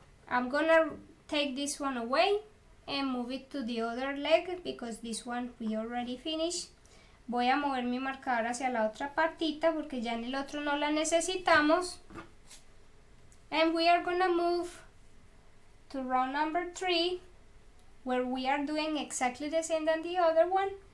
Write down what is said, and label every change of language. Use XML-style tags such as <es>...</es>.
<en>I'm gonna take this one away and move it to the other leg, because this one we already finished.</en> <es>Voy a mover mi marcador hacia la otra partita, porque ya en el otro no la necesitamos.</es> <en>And we are gonna move to round number 3, where we are doing exactly the same than the other one.</en>